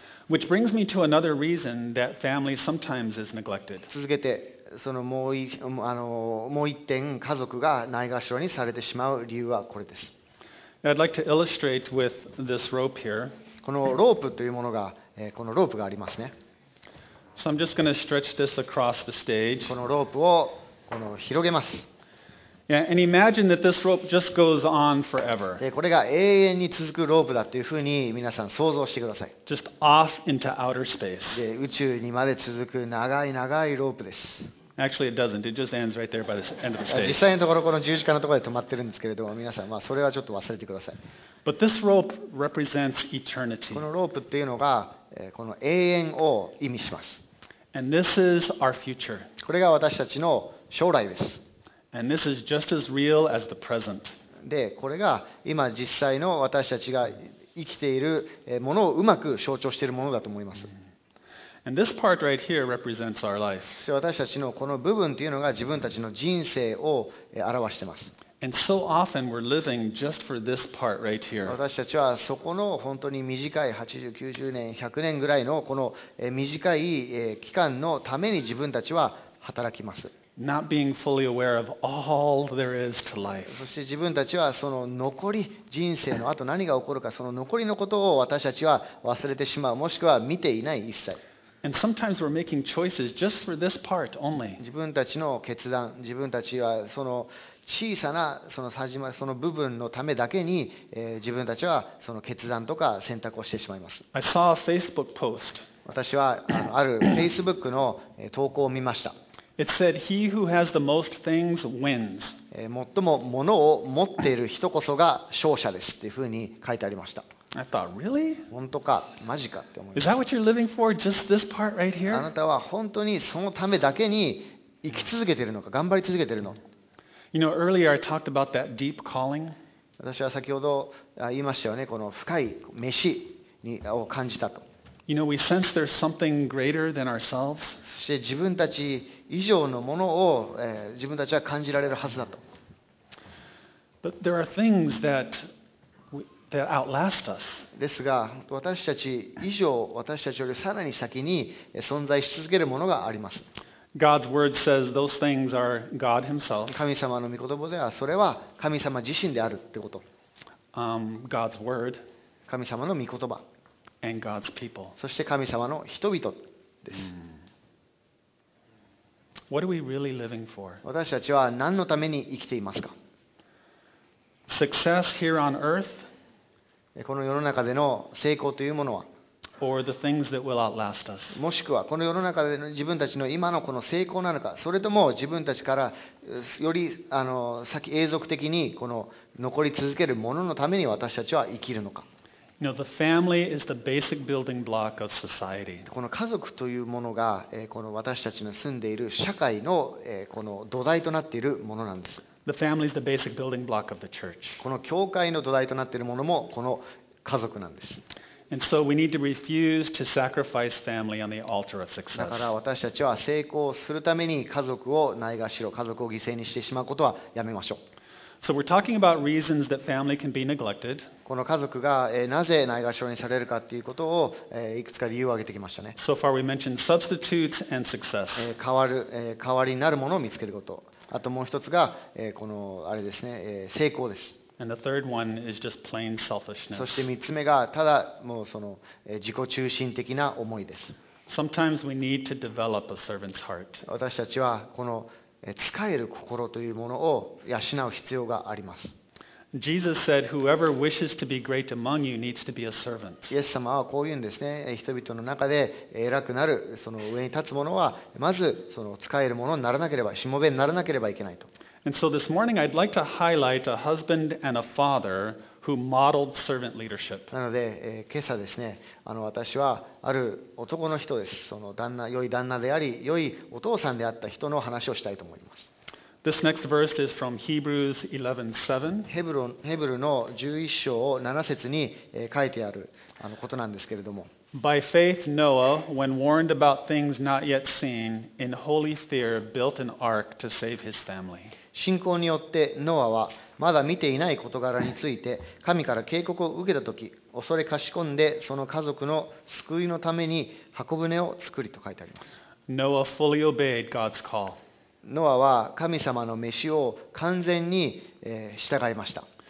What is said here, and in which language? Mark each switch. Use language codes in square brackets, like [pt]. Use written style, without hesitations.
[en] Which brings me to another reason that family sometimes is neglected. [ja] 続けて、そのもう一点、家族がないがしろにされてしまう理由はこれです。 [en] I'd like to illustrate with this rope here. [ja] このロープというものが、このロープがありますね。 [en] So I'm just going to stretch this across the stage. [ja] このロープをこの広げます。 [en] Yeah, and imagine that this rope just goes on forever. [ja] これが永遠に続くロープだというふうに皆さん想像してください。 [en] Just off into outer space. [ja] で、宇宙にまで続く長い長いロープです。 [en] Actually, it doesn't. It just ends right there by the end of the stage. [ja] 実際のところこの十字架のところで止まってるんですけれども、皆さん、まあ、それはちょっと忘れてください。 [en] But this rope represents eternity. [ja] このロープっていうのが、この永遠を意味します。 [en] And this is our future. [ja] これが私たちの将来です。 [en] And this is just as real as the present. [ja] で、これが今実際の私たちが生きているものをうまく象徴しているものだと思います。 [en] And this part right here represents our life. [ja] そして私たちのこの部分というのが自分たちの人生を表しています。 [en] And so often we're living just for this part right here. [ja] 私たちはそこの本当に短い80、90年、100年ぐらいのこの短い期間のために自分たちは働きます。 [en] Not being fully aware of all there is to life. [ja] そして自分たちはその残り人生のあと何が起こるかその残りのことを私たちは忘れてしまうもしくは見ていない一切。 [en] And sometimes we're making choices just for this part only. [ja] 自分たちの決断、自分たちはその小さなそのさじまその部分のためだけに、自分たちはその決断とか選択をしてしまいます。 [en] I saw a Facebook post. [ja] 私はある Facebook の投稿を見ました。 [en] It said, "He who has the most things wins." [ja] 最も物を持っている人こそが勝者ですっていうふうに書いてありました。 [en] I thought, "Really?" [ja] 本当か、マジかって思いました。 [en] Is that what you're living for? Just this part right here? [ja] あなたは本当にそのためだけに生き続けているのか、頑張り続けているの [en] ？You know, earlier I talked about that deep calling. [ja] 私は先ほど言いましたよね、この深い召しを感じたと。 [en] You know, we sense there's something greater than ourselves. [ja] そして自分たち以上のものを、自分たちは感じられるはずだと。 [en] But there are things that that outlast us. [ja] ですが、私たち以上、私たちよりさらに先に存在し続けるものがあります。 [en] God's word says those things are God Himself. [ja] 神様の御言葉ではそれは神様自身であるってこと。 [en] God's word. [ja] 神様の御言葉。 [en] And God's people. [ja] そして神様の人々です。 [en] What are we really living for? [ja] 私たちは何のために生きていますか? [en] Success here on earth? [ja] この世の中での成功というものは? [en] or the things that will outlast us. [ja] もしくはこの世の中での自分たちの今のこの成功なのか、それとも自分たちからより先永続的にこの残り続けるもののために私たちは生きるのか。 [en] You know, the family is the basic building block of society. [ja] この家族というものが、この私たちの住んでいる社会の、この土台となっているものなんです。 [en] The family is the basic building block of the church. [ja] この教会の土台となっているものもこの家族なんです。 [en] And so we need to refuse to sacrifice family on the altar of success. [ja] だから私たちは成功するために家族をないがしろ、家族を犠牲にしてしまうことはやめましょう。 [en] So we're talking about reasons that family can be neglected. [ja] この家族がなぜないがしろにされるかということをいくつか理由を挙げてきましたね。 [en] So far we mentioned substitutes and success. [ja] 代わりになるものを見つけること。あともう一つがこのあれですね、成功です。 [en] And the third one is just plain selfishness. [ja] そして三つ目がただもうその自己中心的な思いです。 [en] Sometimes we need to develop a servant's heart. [ja] 私たちはこの使える心というものを養う必要があります。 [en] Jesus said, "Whoever wishes to be great among you needs to be a servant." [ja] イエス様はこう言うんですね。人々の中で偉くなる、その上に立つ者はまずその使えるものにならなければ、しもべにならなければいけないと。 [en] And so this morning, I'd like to highlight a husband and a father who modeled servant leadership. [ja] なので、今朝ですね、私はある男の人です。その旦那、良い旦那であり、良いお父さんであった人の話をしたいと思います。 [en] This next verse is from Hebrews 11:7. [ja] ヘブルの11章7節に書いてあることなんですけれども。 [en] By faith, Noah, when warned about things not yet seen, in holy fear, built an ark to save his family. [ja] 信仰によってノアはまだ見ていない事柄について神から警告を受けたとき、恐れかしこんでその家族の救いのために箱舟を作りと書いてあります。 [en] Noah fully obeyed God's call. [ja] ノアは神様の召しを完全に従いました。